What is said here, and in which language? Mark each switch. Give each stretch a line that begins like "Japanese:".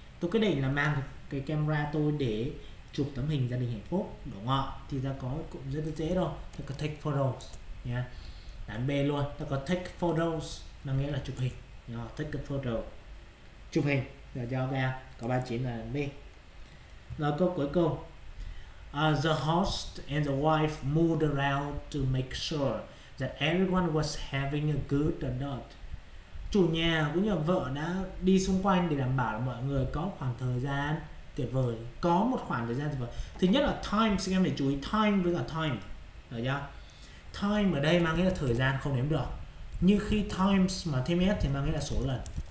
Vietnamese: Tôi quyết định là mang cái camera tôi để chụp tấm hình gia đình hạnh phúc, đúng không? Thì ta có cũng rất dễ thôi. Ta có
English: take photos,
Vietnamese: nha. Đoạn B luôn. Ta có
English: take photos,
Vietnamese: nó nghĩa là chụp hình. Nha,
English: take a photo,
Vietnamese: chụp hình. Rồi cho ra. Có 39 là B. Rồi câu cuối cùng.
English: The host and the wife moved around to make sure that everyone was having a good night.
Vietnamese: Chủ nhà cũng như vợ đã đi xung quanh để đảm bảo mọi người có khoảng thời gian tuyệt vời, có một khoảng thời gian tuyệt vời. Thứ nhất là time, xin em để chú ý time với cả time, được chưa? Time ở đây mang nghĩa là thời gian không đếm được. Như khi times mà thêm s thì mang nghĩa là số lần.